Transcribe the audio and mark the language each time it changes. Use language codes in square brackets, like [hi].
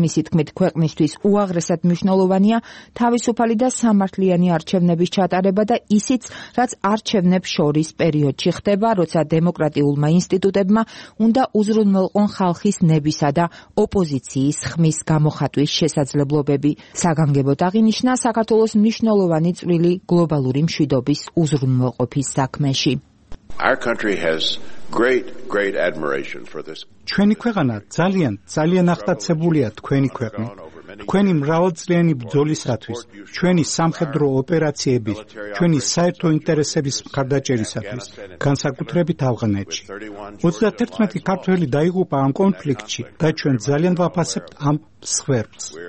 [ka] მისი თქმით, ქვეყნისთვის უაღრესად მნიშვნელოვანია თავისუფალი და სამართლიანი არჩევნების ჩატარება და ისიც, რაც არჩევნებს შორის პერიოდში ხდება, როცა დემოკრატიულმა ინსტიტუტებმა უნდა უზრუნველყონ ხალხის ნებისა და ოპოზიციის ხმის გამოხატვის შესაძლებლობები. საგანგებოდ აღინიშნა საქართველოს მნიშვნელოვანი წვლილი გლობალური მშვიდობის უზრუნველყოფის საქმეში. [en] Our country has great admiration for this. [ka] ჩვენი ქვეყანა ძალიან აღტაცებულია თქვენი ქვეყნით. თქვენი მრავალწლიანი ბრძოლისათვის, ჩვენი სამხედრო ოპერაციების, ჩვენი საერთო ინტერესების მხარდაჭერისათვის, განსაკუთრებით ავღანეთში. 31 ქართველი დაიღუპა ამ კონფლიქტში და ჩვენ ძალიან ვაფასებთ ამ სხვერფს.